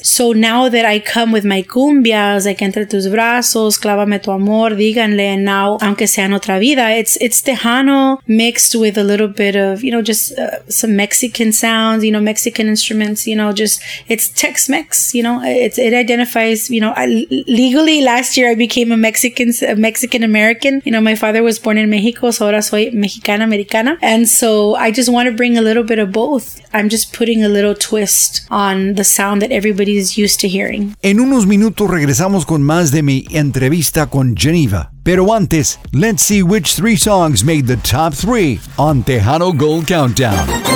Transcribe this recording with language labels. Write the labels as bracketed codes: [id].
[en] So now that I come with my cumbias, like Entre Tus Brazos, Clávame Tu Amor, Díganle, and now Aunque Sea En Otra Vida, it's Tejano mixed with a little bit of, you know, just some Mexican sounds, you know, Mexican instruments, you know, just it's Tex-Mex, you know, it identifies, you know, legally last year I became a Mexican-American, you know, my father was born in Mexico, so [es] ahora soy Mexicana-Americana. [en] And so I just want to bring a little bit of both. I'm just putting a little twist on the sound that everybody is used to hearing. [es] En unos minutos regresamos con más de mi entrevista con Geneva. Pero antes, [en] let's see which three songs made the top three on Tejano Gold Countdown.